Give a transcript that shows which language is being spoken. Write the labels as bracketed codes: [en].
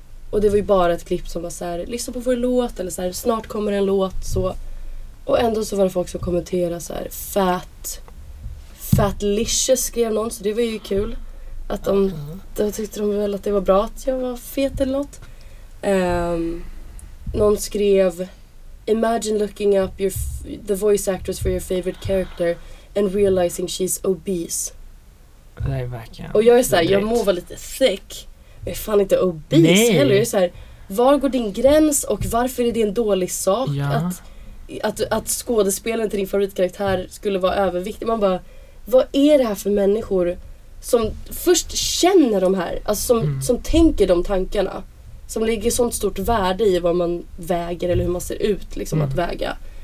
[sv] Och det var ju bara ett klipp som var så här, lyssna på vår låt eller så här, snart kommer en låt så. Och ändå så var det folk som kommenterade så här, fatlicious skrev någon, så det var ju kul. Att de tyckte de väl att det var bra att jag var fet eller något. Någon skrev, [en] imagine looking up the voice actress for your favorite character and realizing she's obese. [sv] Det är verkligen. Och jag är såhär, jag må vara lite thick, men jag är fan inte obese heller. Jag är såhär, var går din gräns och varför är det en dålig sak att skådespelaren till din favoritkaraktär skulle vara överviktig? Man bara, vad är det här för människor som först känner de här, alltså som tänker de tankarna, som lägger sånt stort värde i vad man väger eller hur man ser ut liksom att väga.